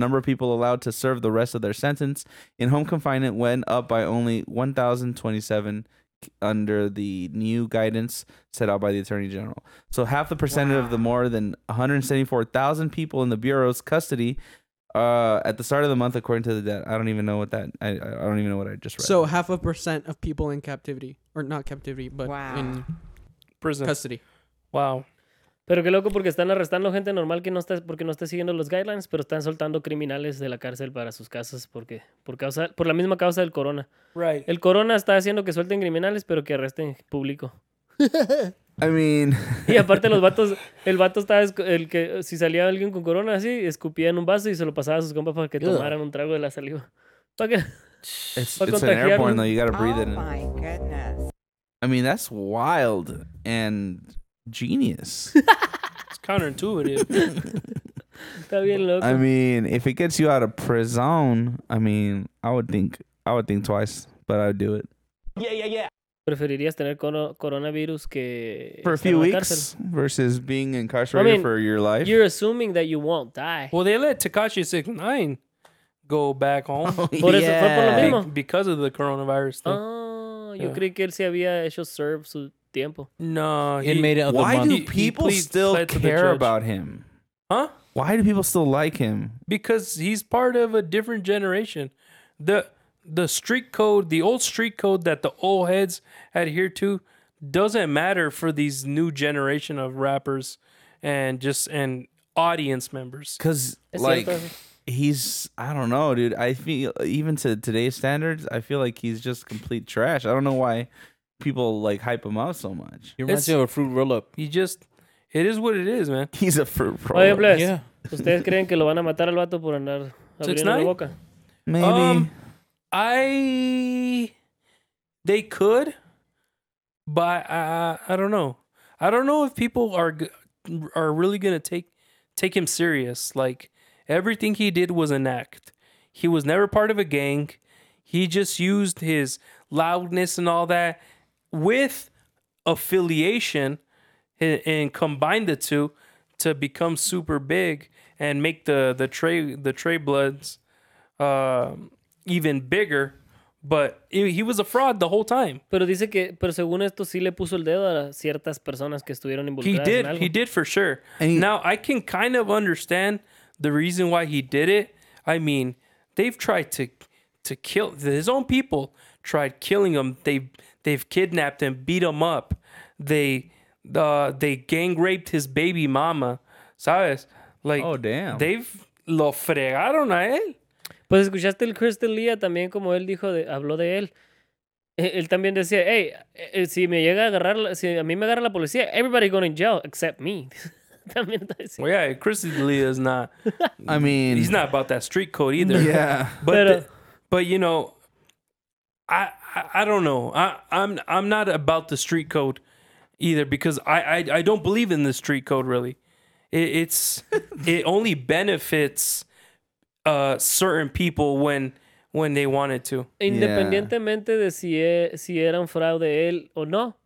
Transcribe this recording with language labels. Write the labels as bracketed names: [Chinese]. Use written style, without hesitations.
[English] The number of people allowed to serve the rest of their sentence in home confinement went up by only 1,027 under the new guidance set out by the Attorney General. So half the percentage of the more than 174,000 people in the Bureau's custody at the start of the month, according to the debt. I don't even know what that... I don't even know what I just read. So half a percent of people in captivity. Or not captivity, but in... prison. Custody. Wow. [Spanish] Pero qué loco, porque están arrestando gente normal que no está, porque no está siguiendo los guidelines, pero están soltando criminales de la cárcel para sus casas porque, por causa, por la misma causa del corona. [English] Right. [Spanish] El corona está haciendo que suelten criminales, pero que arresten público. [English] I mean... [Spanish] Y aparte los vatos, el vato estaba, el que, si salía alguien con corona así, escupía en un vaso y se lo pasaba a sus compas para que tomaran un trago de la saliva. Para que... [English] It's an airborne, though. You gotta breathe it. Oh, my goodness. I mean, that's wild and genius. It's counterintuitive. [Spanish] Está bien loco. [English] I mean, if it gets you out of prison, I mean, I would think twice, but I would do it. Yeah, yeah, yeah. [Spanish] ¿Preferirías tener coronavirus que [English] for a few weeks versus being incarcerated for your life? You're assuming that you won't die. Well, they let Tekashi 6ix9ine go back home. Oh, yeah. [Spanish] Por eso, por lo mismo. [English] Because of the coronavirus thing. [Spanish] Yo creí que él se había hecho serve su tiempo. No, [English] inmate of the month. Why do people still care about him? Huh? Why do people still like him? Because he's part of a different generation. The street code, the old street code that the old heads adhere to, doesn't matter for these new generation of rappers and audience members. Because like he's, I don't know, dude. I feel, even to today's standards, I feel like he's just complete trash. I don't know why people, like, hype him up so much. He reminds me of a fruit roll-up. He just, it is what it is, man. He's a fruit roll-up. Oye, Bless. Yeah. [Spanish] ¿Ustedes creen que lo van a matar al vato por andar abriendo la boca? [English] Maybe. They could, but I don't know. I don't know if people are really going to take him serious, like... Everything he did was an act. He was never part of a gang. He just used his loudness and all that with affiliation and combined the two to become super big and make the Trey Bloods even bigger. But he was a fraud the whole time. [Spanish] Pero dice que, pero según esto, sí le puso el dedo a ciertas personas que estuvieron involucradas. [English] He did. [Spanish] En algo. [English] He did for sure. Now I can kind of understand. The reason why he did it, I mean, they've tried to kill his own people. Tried killing him. They've kidnapped him, beat him up. They gang raped his baby mama. [Spanish] ¿Sabes? [English] Like, oh damn. They've [Spanish] lo fregaron a él. Pues escuchaste el Chris D'Elia también como él dijo habló de él. Él también decía, hey, si me llega a agarrar, si a mí me agarra la policía, [English] everybody going in jail except me. Well, yeah, Chris D'Elia is not. I mean, he's not about that street code either. Yeah, but you know, I don't know. I'm not about the street code either because I don't believe in the street code really. It only benefits certain people when they want it to. [Spanish] Independientemente de si era un fraude él o no.